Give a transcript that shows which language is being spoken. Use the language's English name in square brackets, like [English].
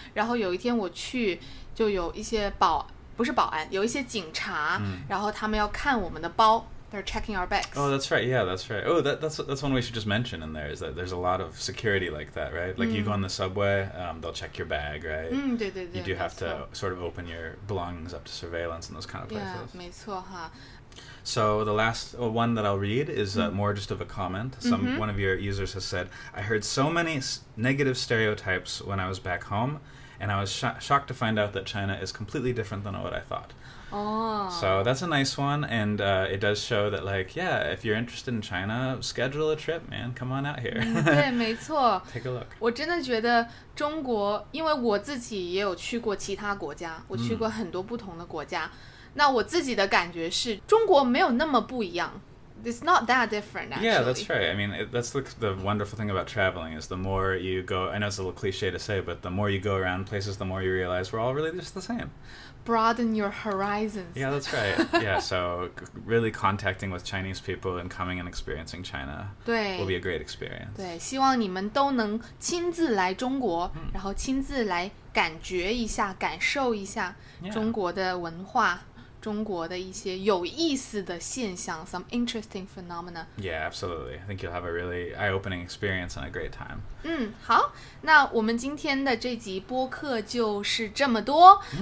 [Chinese] 然后有一天我去，就有一些不是保安，有一些警察，然后他们要看我们的包。 [English] They're checking our bags. Oh, that's right. Yeah, that's right. Oh, that's one we should just mention in there, is that there's a lot of security like that, right? Like, you go on the subway, they'll check your bag, right? [Chinese] 对对对。 [English] You do have to sort of open your belongings up to surveillance and those kind of places. [Chinese] Yeah, 没错哈。 [English] So the last one that I'll read is more just of a comment. One of your users has said, I heard so many negative stereotypes when I was back home, and I was shocked to find out that China is completely different than what I thought. So that's a nice one, and it does show that, like, yeah, if you're interested in China, schedule a trip, man. Come on out here. [Chinese] 对，没错。 [English] Take a look. [Chinese] 我真的觉得中国，因为我自己也有去过其他国家，我去过很多不同的国家。那我自己的感觉是，中国没有那么不一样。 [English] It's not that different, actually. Yeah, that's right. I mean, that's the wonderful thing about traveling is the more you go, I know it's a little cliche to say, but the more you go around places, the more you realize we're all really just the same. Broaden your horizons. Yeah, that's right. Yeah, so really contacting with Chinese people and coming and experiencing China will be a great experience. [Chinese] 对，希望你们都能亲自来中国，然后亲自来感觉一下，感受一下中国的文化。中国的一些有意思的现象 [English] some interesting phenomena. Yeah, absolutely. I think you'll have a really eye-opening experience and a great time. [Chinese] 好，那我们今天的这集播客就是这么多。